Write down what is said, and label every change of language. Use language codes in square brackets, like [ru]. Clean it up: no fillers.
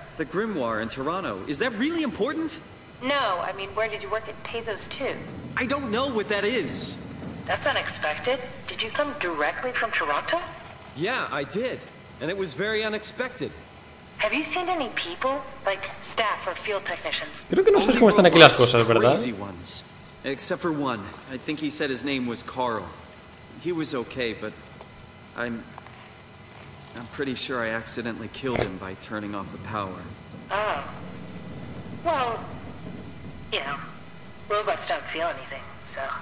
[en] The Grimoire in Toronto. Is that really important? No, I mean, where did you work at Pezos 2? I don't know what that is. That's unexpected. Did you come directly from Toronto? Yeah, I did. And it was very unexpected. Have you seen any people, like staff or field technicians? [es] Creo que no sabes cómo están aquí las cosas, ¿verdad? [en] Except for one. I think he said his name was Carl. He was okay, but I'm pretty sure I accidentally killed him by turning off the power. Oh. Well, you know, robots don't feel anything, so.